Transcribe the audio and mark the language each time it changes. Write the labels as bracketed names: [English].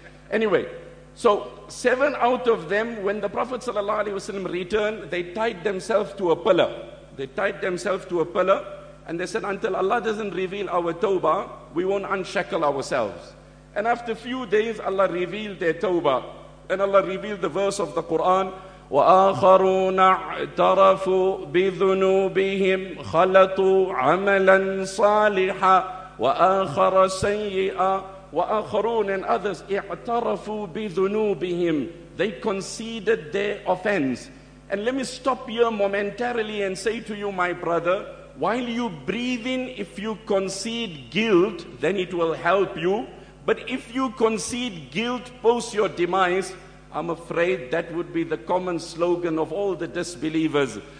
[English] Anyway, so seven out of them, when the Prophet ﷺ returned, they tied themselves to a pillar. They tied themselves to a pillar and they said, until Allah doesn't reveal our tawbah, we won't unshackle ourselves. And after a few days, Allah revealed their tawbah. And Allah revealed the verse of the Quran, [Arabic] وَآخَرُونَ اعْتَرَفُوا بِذُنُوبِهِمْ خَلَطُوا عَمَلًا صَالِحًا وَآخَرَ سَيِّئًا وَآخَرُونَ [English] and others [Arabic] اعْتَرَفُوا بِذُنُوبِهِمْ. [English] They conceded their offense. And let me stop here momentarily and say to you, my brother, while you breathe in, if you concede guilt, then it will help you. But if you concede guilt post your demise, I'm afraid that would be the common slogan of all the disbelievers.